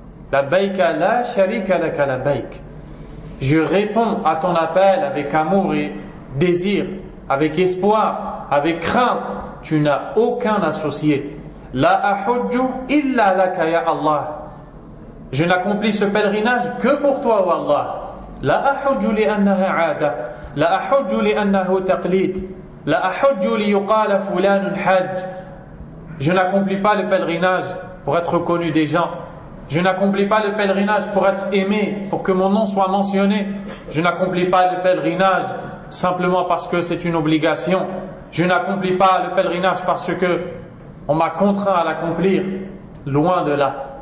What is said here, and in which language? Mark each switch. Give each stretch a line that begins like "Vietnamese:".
Arabic: Labbayka la sharika laka labbayk.
French: Je réponds à ton appel avec amour et désir, avec espoir, avec crainte. Tu n'as aucun associé.
Arabic: La ahujju illa laka ya Allah.
French: Je n'accomplis ce pèlerinage que pour toi, oh Allah.
Arabic: La ahujju li annaha aada. لا أحج لأنه تقليد لا أحج ليقال فلان حج.
French: Je n'accomplis pas le pèlerinage pour être connu des gens. Je n'accomplis pas le pèlerinage pour être aimé, pour que mon nom soit mentionné. Je n'accomplis pas le pèlerinage simplement parce que c'est une obligation. Je n'accomplis pas le pèlerinage parce que on m'a contraint à l'accomplir. Loin de là.